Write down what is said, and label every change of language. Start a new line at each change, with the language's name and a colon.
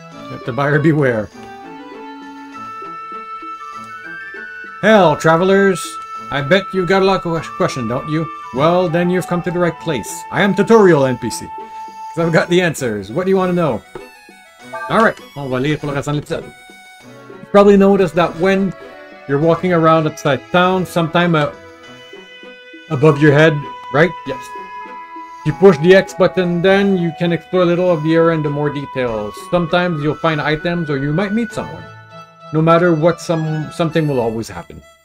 English: Let the buyer beware. Hell, travelers. I bet you got a lot of questions, don't you? Well, then you've come to the right place. I am Tutorial NPC. Because I've got the answers. What do you want to know?
French: Alright, on va lire pour le reste de l'épisode.
English: You probably noticed that when you're walking around outside town, sometime above your head, right? Yes. You You push the X button, then you can explore a little of the area into more details. Sometimes you'll find items or you might meet someone. No matter what, something will always happen.